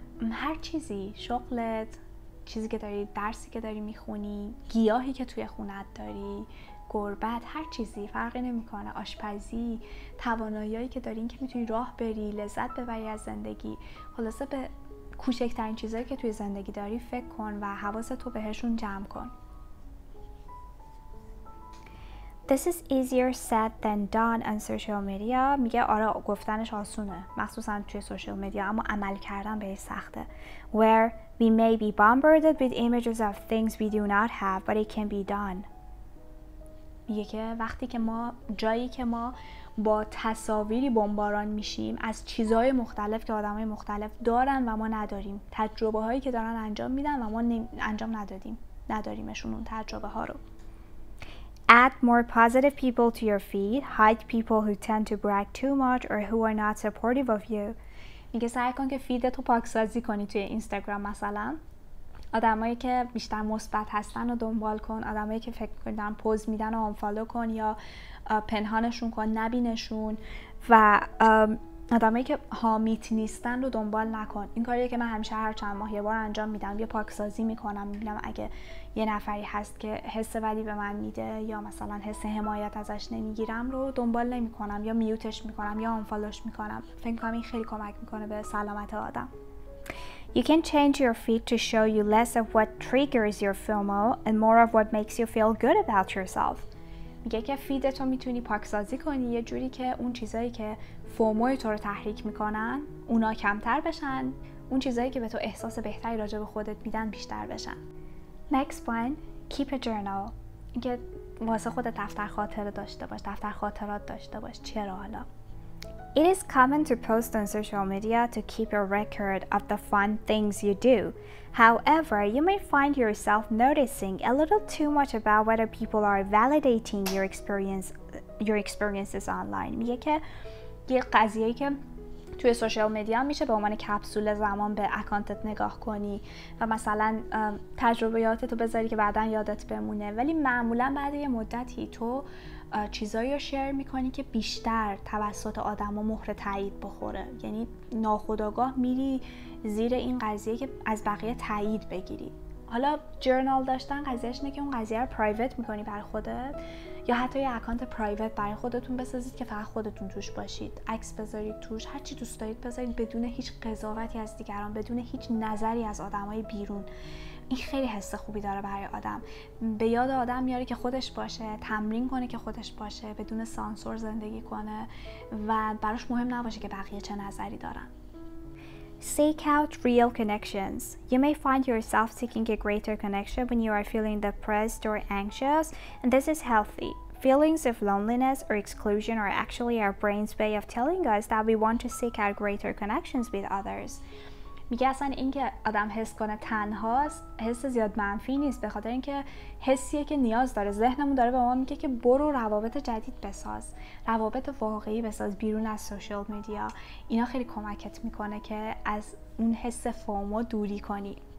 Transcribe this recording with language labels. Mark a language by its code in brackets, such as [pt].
[fa] هر چیزی، شغلت، چیزی که داری، درسی که داری میخونی، گیاهی که توی خونت داری، گربت، هر چیزی فرقی نمیکنه، آشپزی، تواناییایی که داری، این که میتونی راه بری، لذت ببری از زندگی، خلاصه به کوچکترین چیزایی که توی زندگی داری فکر کن و حواستو بهشون جمع کن. [en] This is easier said than done on social media. [fa] میگه آره گفتنش آسونه، مخصوصا توی سوشال میدیا، اما عمل کردن به سخته. [en] Where we may be bombarded with images of things we do not have, but it can be done. [fa] میگه که وقتی که ما، جایی که ما با تصاویری بمباران میشیم از چیزهای مختلف که آدمای مختلف دارن و ما نداریم، تجربه هایی که دارن انجام میدن و ما انجام ندادیم، نداریمشون اون تجربه ها رو. [en] Add more positive people to your feed. Hide people who tend to brag too much or who are not supportive of you. [fa] میگه سعی کن که فیدتو پاکسازی کنی توی اینستاگرام مثلا. آدمایی که بیشتر مثبت هستن رو دنبال کن. آدمایی که فکر کردن پوز میدن رو آنفالو کن یا پنهانشون کن، نبینشون. و آدمایی که حامیت نیستن رو دنبال نکن. این کاریه که من همیشه هر چند ماه یه بار انجام میدم، یه پاکسازی میکنم، میبینم اگه یه نفری هست که حس بدی به من میده یا مثلا حس حمایت ازش نمیگیرم رو دنبال نمیکنم، یا میوتش میکنم یا آنفالوش میکنم. فکر کنم این خیلی کمک میکنه به سلامت آدم. [en] You can change your feed to show you less of what triggers your FOMO and more of what makes you feel good about yourself. [fa] میگه که فیدتو میتونی پاکسازی کنی یه جوری که اون چیزایی که فوموی تو رو تحریک میکنن اونا کمتر بشن، اون چیزایی که به تو احساس بهتری راجع به خودت میدن بیشتر بشن. [en] Next one, keep a journal. [fa] میگه واسه خودت دفتر خاطره داشته باش، دفتر خاطرات داشته باش. چرا حالا؟ [en] It is common to post on social media to keep a record of the fun things you do. However, you may find yourself noticing a little too much about whether people are validating your experiences online. [fa] میگه که یه قضیه‌ای که توی سوشال مدیا میشه به عنوان کپسول زمان به اکانتت نگاه کنی و مثلا تجربیاتتو بذاری که بعداً یادت بمونه، ولی معمولاً بعد یه مدتی تو چیزایی رو شیر میکنی که بیشتر توسط آدم ها مهر تایید بخوره. یعنی ناخودآگاه میری زیر این قضیه که از بقیه تایید بگیری. حالا جرنال داشتن قضیهش اینه که اون قضیه رو پرایویت میکنی برای خودت، یا حتی یه اکانت پرایویت برای خودتون بسازید که فقط خودتون توش باشید، عکس بذارید توش، هرچی دوست دارید بذارید، بدون هیچ قضاوتی از دیگران، بدون هیچ نظری از آدم های بیرون. این خیلی حس خوبی داره برای آدم، به یاد آدم میاره که خودش باشه، تمرین کنه که خودش باشه، بدون سانسور زندگی کنه و براش مهم نباشه که بقیه چه نظری دارن. [en] Seek out real connections. You may find yourself seeking a greater connection when you are feeling depressed or anxious, and this is healthy. Feelings of loneliness or exclusion are actually our brain's way of telling us that we want to seek out greater connections with others. [fa] میگه اصلا این که آدم حس کنه تنهاست حس زیاد منفی نیست، به خاطر اینکه حسیه که نیاز داره، ذهنمون داره به ما میگه که برو روابط جدید بساز، روابط واقعی بساز بیرون از سوشال میدیا. اینا خیلی کمکت میکنه که از اون حس فومو دوری کنی.